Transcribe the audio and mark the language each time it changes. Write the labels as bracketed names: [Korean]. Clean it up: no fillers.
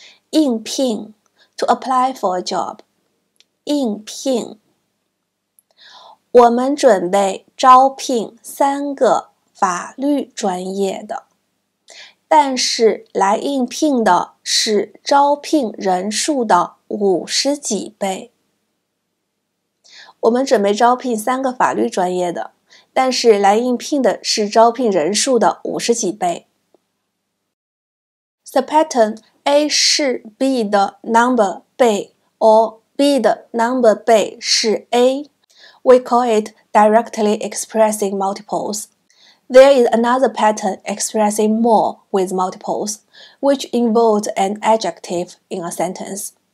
[English] 应聘 to apply for a job， 应聘。 [Chinese] 我们准备招聘3个法律专业的，但是来应聘的是招聘人数的50几倍。我们准备招聘3个法律专业的，但是来应聘的是招聘人数的50几倍。 [English] The pattern A 是 B 的 number 倍 or B 的 number 倍是 A. We call it directly expressing multiples. There is another pattern expressing more with multiples, which involves an adjective in a sentence.